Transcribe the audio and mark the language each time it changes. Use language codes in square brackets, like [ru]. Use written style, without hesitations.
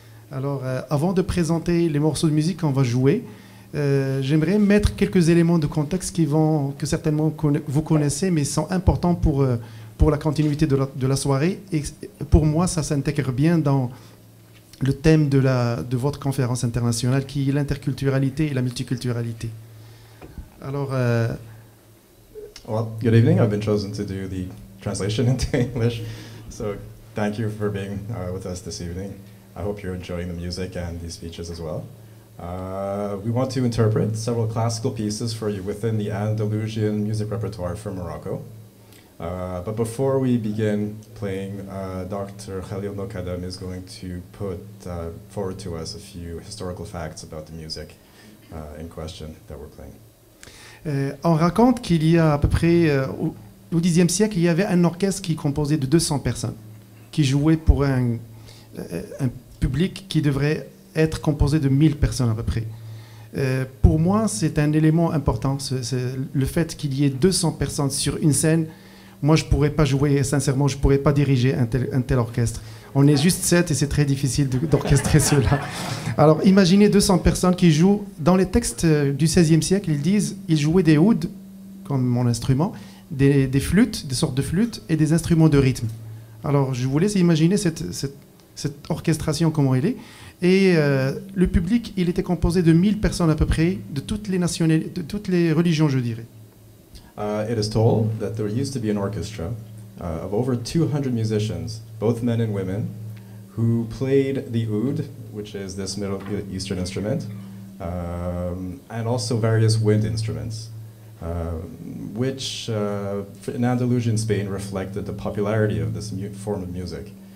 [fr] Alors, avant de présenter les morceaux de musique qu'on va jouer, j'aimerais mettre quelques éléments de contexte que certainement vous connaissez, mais sont importants pour la continuité de la soirée. Et pour moi, ça s'intègre bien dans le thème de votre conférence internationale, qui est l'interculturalité et la multiculturalité. Alors, [en] Good evening. I've been chosen to do the translation into English. So, thank you for being with us this evening. I hope you're enjoying the music and these speeches as well. We want to interpret several classical pieces for you within the Andalusian music repertoire from Morocco. But before we begin playing, Dr. Khalil Muqaddam is going to put forward to us a few historical facts about the music in question that we're playing. [fr] On raconte qu'il y a à peu près au 10e siècle, il y avait un orchestre qui composait de 200 personnes qui jouait pour un public qui devrait être composé de 1000 personnes à peu près. Pour moi, c'est un élément important, c'est le fait qu'il y ait 200 personnes sur une scène. Moi, je ne pourrais pas jouer, sincèrement, je ne pourrais pas diriger un tel orchestre. On est juste 7 et c'est très difficile d'orchestrer cela. Alors, imaginez 200 personnes qui jouent. Dans les textes du 16e siècle, ils disent qu'ils jouaient des ouds, comme mon instrument, des flûtes, des sortes de flûtes et des instruments de rythme. Alors, je vous laisse imaginer cette orchestration, comment elle est. Et le public, il était composé de 1000 personnes à peu près, de toutes les religions, je dirais. [en] It is told that there used to be an orchestra of over 200 musicians, both men and women, who played the oud, which is this Middle Eastern instrument, and also various wind instruments, which in Andalusian Spain reflected the popularity of this form of music.